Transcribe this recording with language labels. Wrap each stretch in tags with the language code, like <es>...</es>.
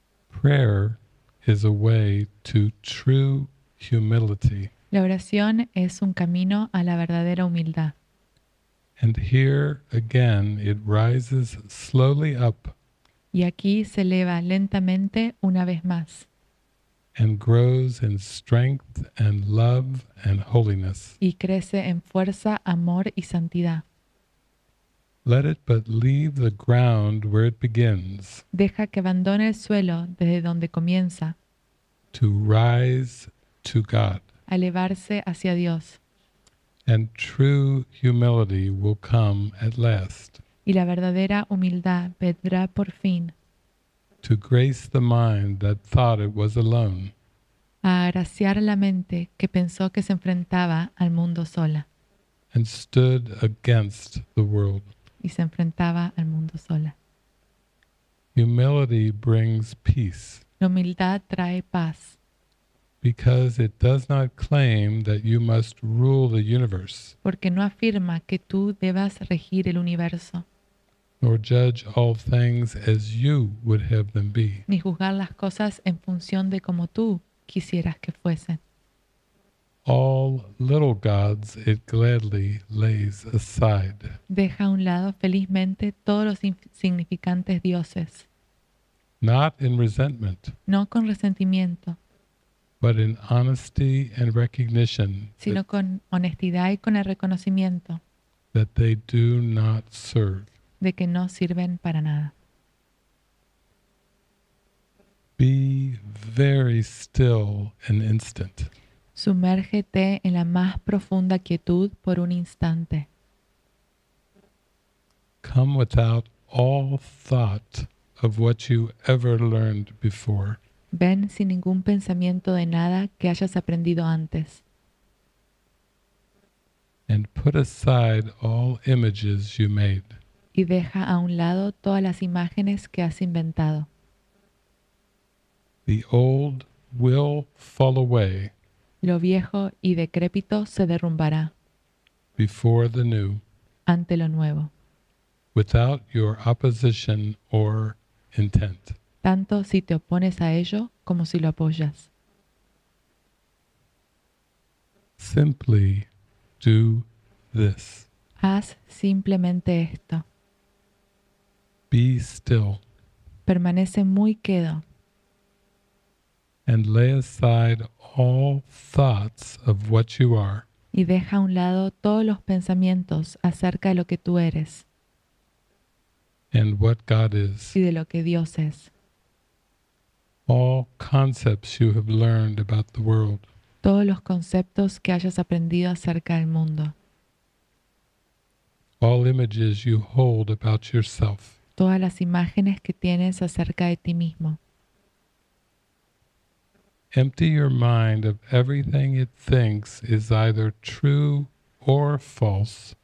<en>Prayer is a way to true humility.</en> <es>La oración es un camino a la verdadera humildad.</es> <en>And here again it rises slowly up.</en> <es>Y aquí se eleva lentamente una vez más.</es> <en>And grows in strength and love and holiness.</en> <es>Y crece en fuerza, amor y santidad.</es> <en>Let it but leave the ground where it begins.</en> <es>Deja que abandone el suelo desde donde comienza.</es> <en>To rise to God.</en> <es>A elevarse hacia Dios.</es> <en>And true humility will come at last.</en> <es>Y la verdadera humildad vendrá por fin.</es> <en>To grace the mind that thought it was alone.</en> <es>A agraciar la mente que pensó que se enfrentaba al mundo sola.</es> <en>And stood against the world.</en> <es>Y se enfrentaba al mundo sola.</es> <en>Humility brings peace.</en> <es>La humildad trae paz.</es> <en>Because it does not claim that you must rule the universe.</en> <es>Porque no afirma que tú debas regir el universo.</es> <en>Nor judge all things as you would have them be.</en> <es>Ni juzgar las cosas en función de como tú quisieras que fuesen.</es> <en>All little gods it gladly lays aside.</en> <es>Deja a un lado felizmente todos los insignificantes dioses.</es> <en>Not in resentment.</en> <es>No con resentimiento.</es> <en>But in honesty and recognition.</en> <es>Sino con honestidad y con el reconocimiento.</es> <en>That they do not serve.</en> <es>De que no sirven para nada.</es> <en>Be very still an instant.</en> <es>Sumérgete en la más profunda quietud por un instante.</es> <en>Come without all thought of what you ever learned before.</en> <es>Ven sin ningún pensamiento de nada que hayas aprendido antes.</es> <en>And put aside all images you made.</en> <es>Y deja a un lado todas las imágenes que has inventado.</es> <en>The old will fall away.</en> <es>Lo viejo y decrépito se derrumbará.</es> <en>Before the new.</en> <es>Ante lo nuevo.</es> <en>Without your opposition or intent.</en> <es>Tanto si te opones a ello como si lo apoyas.</es> <en>Simply do this.</en> <es>Haz simplemente esto.</es> <en>Be still.</en> <es>Permanece muy quedo.</es> <en>And lay aside all thoughts of what you are.</en> <es>Y deja a un lado todos los pensamientos acerca de lo que tú eres.</es> <en>And what God is.</en> <es>Y de lo que Dios es.</es> <en>All concepts you have learned about the world.</en> <es>Todos los conceptos que hayas aprendido acerca del mundo.</es> <en>All images you hold about yourself.</en> <es>Todas las imágenes que tienes acerca de ti mismo.</es> <en>Empty your mind of everything it thinks is either true or false.</en>